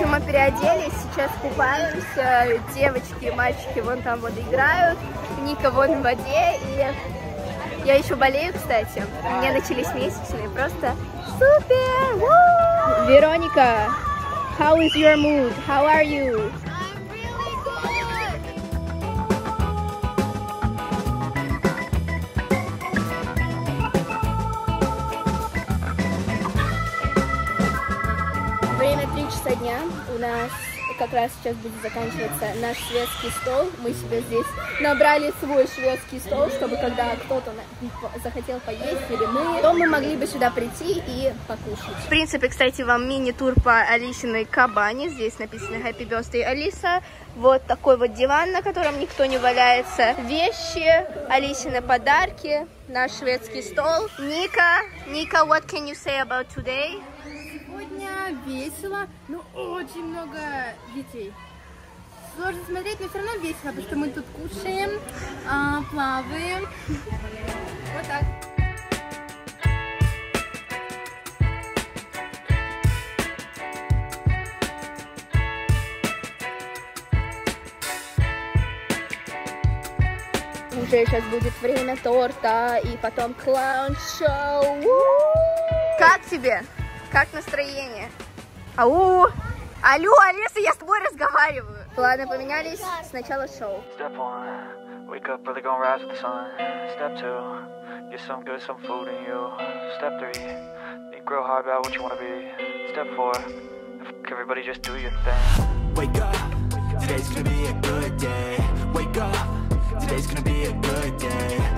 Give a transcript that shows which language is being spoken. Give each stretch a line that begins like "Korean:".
Russian: Переоделись, сейчас купаемся, девочки и мальчики вон там вот играют, Ника вон в воде, и я еще болею, кстати, у меня начались месячные, просто супер! Woo!
English: Вероника, how is your mood? How are you?
Russian: Дня. У нас как раз сейчас будет заканчиваться наш шведский стол. Мы себе здесь набрали свой шведский стол, чтобы когда кто-то захотел поесть или мы, то мы могли бы сюда прийти и покушать. В принципе, кстати, вам мини-тур по Алисиной кабане. Здесь написано Happy Birthday, Алиса. Вот такой вот диван, на котором никто не валяется. Вещи, Алисины подарки, наш шведский стол.
English: Ника, Ника, what can you say about today?
Russian: Весело, но очень много детей. Сложно смотреть, но все равно весело, потому что мы тут кушаем, плаваем. Вот так. Уже сейчас будет время торта и потом клаун-шоу. Как тебе? Как настроение? Ау! Алло, Алиса, я с тобой разговариваю! Планы поменялись, сначала шоу.
English: Step one, wake up, really gonna rise with the sun. Step two, get some good, some food in you. Step three, think real hard about what you wanna be. Step four, fuck everybody, just do your thing. Wake up, today's gonna be a good day. Wake up, today's gonna be a good day.